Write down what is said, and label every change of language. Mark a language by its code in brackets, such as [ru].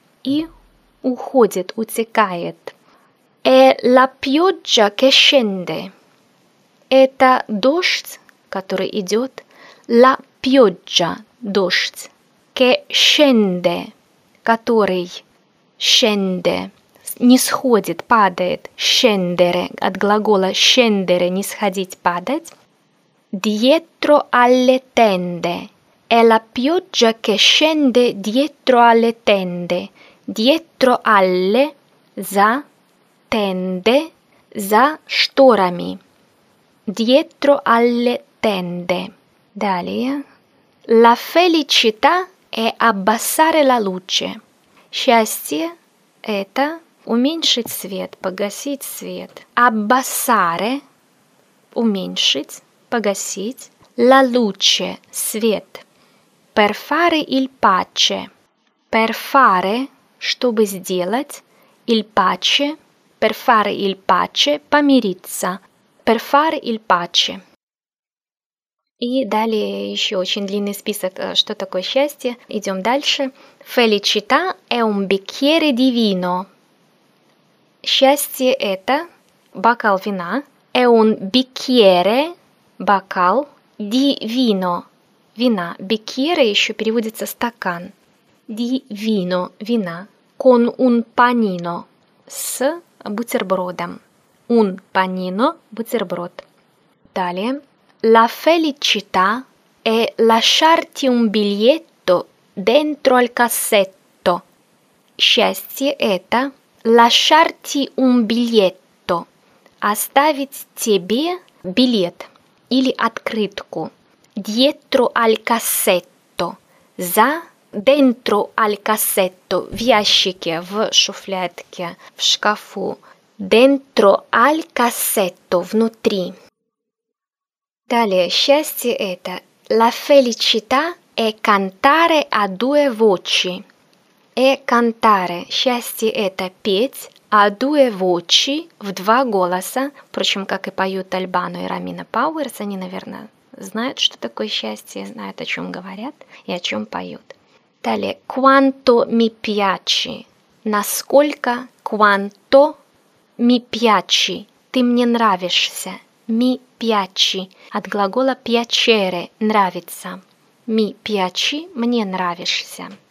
[ru] И уходит, утекает. [it] È la pioggia che scende. [ru] Это дождь, который идет. [it] La pioggia, [ru] дождь. [it] Che scende, [ru] который [it] scende, [ru] нисходит, падает. Scendere, от глагола scendere, нисходить, падать. [it] Dietro alle tende. È la pioggia che scende dietro alle tende. Dietro alle, [ru] за, [it] tende, [ru] за шторами. [it] Dietro alle tende. [ru] Далее. [it] La felicità è abbassare la luce. [ru] Счастье – это уменьшить свет, погасить свет. Abbassare – уменьшить, погасить. [it] La luce – [ru] свет. [it] Per fare il pace. Per fare – [ru] чтобы сделать, [it] il pace, per fare il pace, [ru] помириться, [it] per fare il pace. [ru] И далее еще очень длинный список, что такое счастье. Идем дальше. [it] Felicità è un bicchiere di vino. [ru] Счастье – это бокал вина. [it] È un bicchiere – [ru] бокал, [it] di vino – [ru] вина. Bicchiere еще переводится стакан. [it] Di vino – [ru] вина. [it] Con un panino – [ru] с бутербродом. [it] Un panino – [ru] бутерброд. Далее. [it] La felicità è lasciarti un biglietto dentro al cassetto. [ru] Счастье – это [it] lasciarti un biglietto. [ru] Оставить тебе билет или открытку. [it] Dietro al cassetto [ru] – за [it] dentro al cassetto, [ru] в ящике, в шуфлядке, в шкафу. [it] Dentro al cassetto, [ru] внутри. Далее, счастье это. [it] La felicità è cantare a due voci. È cantare. [ru] Счастье это петь. [it] A due voci, [ru] в два голоса. Впрочем, как и поют Альбано и Рамина Пауэрс, они, наверное, знают, что такое счастье, знают, о чем говорят и о чем поют. Далее, [it] quanto mi piace, [ru] насколько, quanto [it] mi piace, [ru] ты мне нравишься, mi piace, от глагола piacere, нравится, mi piace, мне нравишься.